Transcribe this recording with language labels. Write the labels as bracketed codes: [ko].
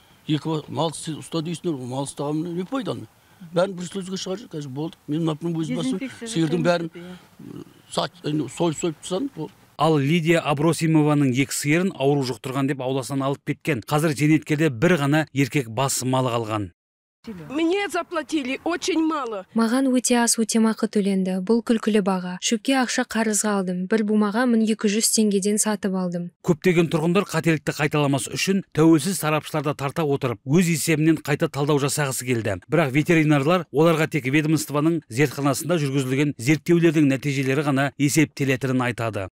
[kk] Екі мал ұста дейсіңдер, мал ұстағанмын, не пайданы? Бәрін бруцеллезге шығарып жүр, қазір болды. Мен мынаның өзім басым, сиырдың бәрін сойып тастадым. Ал Лидия Абросимованың екі сиырын ауру жұқтырған деп ауласынан алып кеткен. Қазір зейнеткерде бір ғана еркек бас мал қалған. [ru] Мне заплатили очень мало. [kk] Маған өте аз өтемақы төленді. Бұл күлкілі баға. Шөпке ақша қарызға алдым. Бір бумаға 1200 теңгеден сатып алдым. Көптеген тұрғындар қателікті қайталамас үшін тәуелсіз сарапшыларды тарта отырып, өз есебінен қайта талдау жасағысы келді. Бірақ ветеринарлар оларға тек ведомствоның зертханасында жүргізілген зерттеулердің нәтижелері ғана есептелетінін айтады.